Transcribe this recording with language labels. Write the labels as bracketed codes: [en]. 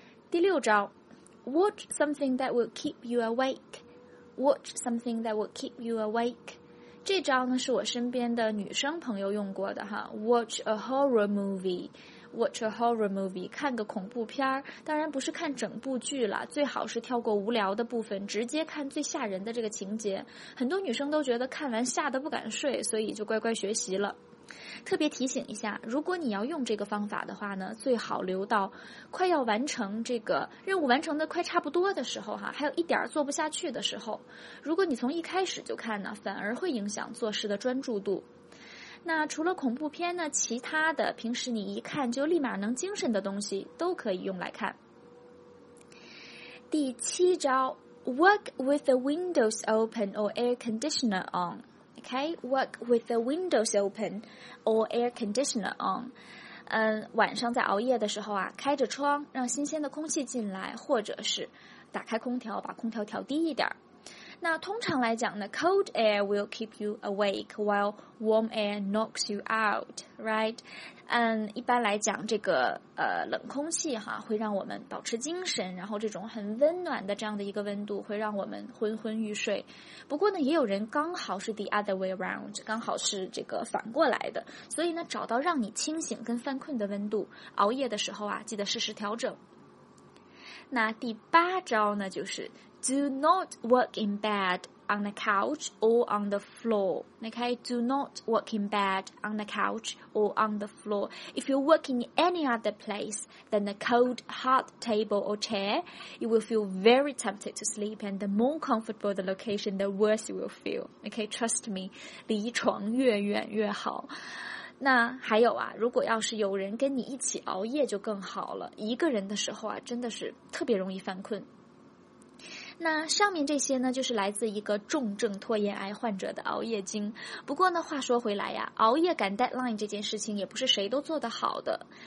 [zh] 第六招， [en] Watch something that will keep you awake. Watch something that will keep you awake. [zh] 这招呢是我身边的女生朋友用过的哈。 [en] Watch a horror movie. Watch a horror movie. [zh] 看个恐怖片，当然不是看整部剧了，最好是跳过无聊的部分，直接看最吓人的这个情节。很多女生都觉得看完吓得不敢睡，所以就乖乖学习了。特别提醒一下，如果你要用这个方法的话呢，最好留到快要完成这个任务，完成的快差不多的时候还有一点做不下去的时候。如果你从一开始就看呢，反而会影响做事的专注度。那除了恐怖片呢，其他的平时你一看就立马能精神的东西都可以用来看。第七招， [en] Work with the windows open or air conditioner on。 Okay, work with the windows open or air conditioner on. [zh] 晚上在熬夜的时候啊，开着窗，让新鲜的空气进来，或者是打开空调，把空调调低一点。那通常来讲呢， [en] cold air will keep you awake while warm air knocks you out, right? [zh] 一般来讲这个冷空气会让我们保持精神，然后这种很温暖的这样的一个温度会让我们昏昏欲睡。不过呢也有人刚好是 [en] the other way around, [zh] 刚好是这个反过来的。所以呢找到让你清醒跟犯困的温度，熬夜的时候啊记得适时调整。那第八招呢就是 [en] Do not work in bed on the couch or on the floor. Okay, do not work in bed on the couch or on the floor. If you work in any other place than a cold, hard table or chair, you will feel very tempted to sleep, and the more comfortable the location, the worse you will feel. Okay, trust me, [zh] 离床越远越好。那还有啊，如果要是有人跟你一起熬夜就更好了，一个人的时候啊，真的是特别容易犯困。那上面这些呢就是来自一个重症拖延癌患者的熬夜经。不过呢话说回来呀，熬夜赶 deadline 这件事情也不是谁都做得好的。